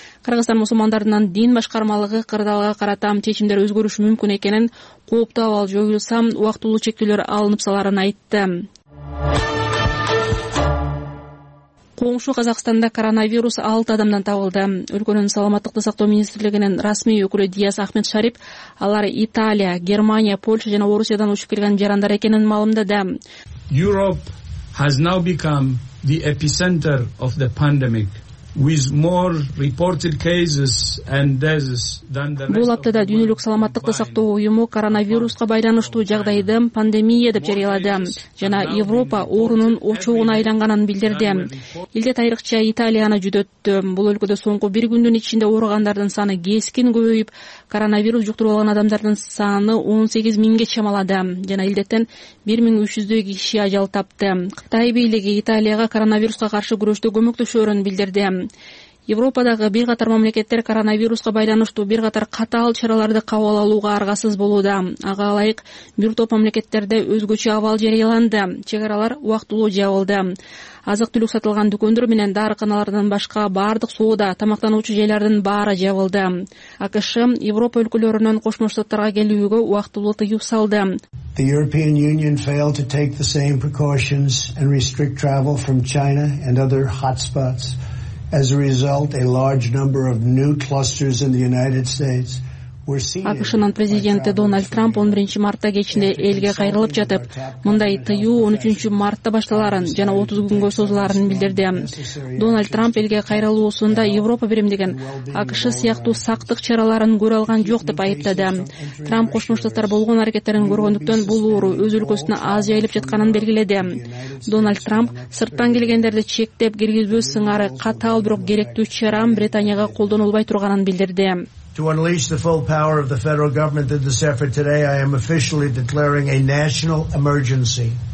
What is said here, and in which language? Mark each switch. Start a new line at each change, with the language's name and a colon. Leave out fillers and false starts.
Kyrgyz: Кыргызстан мусулмандарынан дин башкармалыгы кырдаалга карата чечимдер өзгөрүшү мүмкүн экенин, кооптуу абал жоюлса, убактылуу чектөөлөр алынып саларын айтты. Коңшу Казакстанда коронавирус 6 адамдан табылды. Өлкөнүн саламаттыкты сактоо министрлигинин расмий өкүлү Дияс Ахмед Шарип алар Италия, Германия, Польша жана Орусиядан учуп келген жарандар экенин маалымдады.
English: Europe has now become the epicenter of the pandemic. with more reported cases and deaths than the rest.
Kyrgyz: Бул аптада дүйнөлүк саламаттыкты сактоо уюму коронавируска байланыштуу жагдайды пандемия деп жарыялады жана Европа оорунун очогуна айланганын билдирди. Илде тарыхча Италияны жүдөттү. Бул өлкөдө соңку бир күндүн ичинде ооругандардын саны кескин көбөйүп, коронавирус жуктуруп алган адамдардын саны 18 миңге чамалады жана илдеттен 1300 киши ажал тапты. Кытай бийлиги Италияга коронавируска каршы күрөштө көмөктөшөрүн билдирди. Европадагы бир катар мамлекеттер коронавируска байланыштуу бир катар катаал чараларды кабыл алууга аргасыз болууда. Ага ылайык, бир топ мамлекеттерде өзгөчө абал жарыяланды. Чек аралар убактылуу жабылды. Азык-түлүк сатылган дүкөндөр менен дарыканалардан башка баардык соода, тамактануучу жайлардын баары жабылды. АКШ Европа өлкөлөрүнөн Кошмо Штаттарга келүүгө убактылуу тыюу салды.
English: The European Union failed to take the same precautions and restrict travel from China and other hotspots. As a result, a large number of new clusters in the United States were seen.
Kyrgyz: АКШ'нын президенти Дональд Трамп 11 мартта кечинде элге кайрылып жатып, мындай тыюу 13 мартта башталарын жана 30 күнгө созуларын билдирди. Дональд Трамп элге кайрылуусунда Европа биримдиген АКШ сыяктуу сактык чараларын көрө алган жок деп айыптады. Трамп Кошмо Штаттар болгон аракеттерин көргөндүктөн бул оору өз өлкөсүнө аз жайылып жатканын белгиледи. Дональд Трамп сырттан келгендерди чектеп киргизбөө сыңары катаал бирок керектүү чара Британияга колдонулбай турганын билдирди.
English: To unleash the full power of the federal government in this effort today, I am officially declaring a national emergency.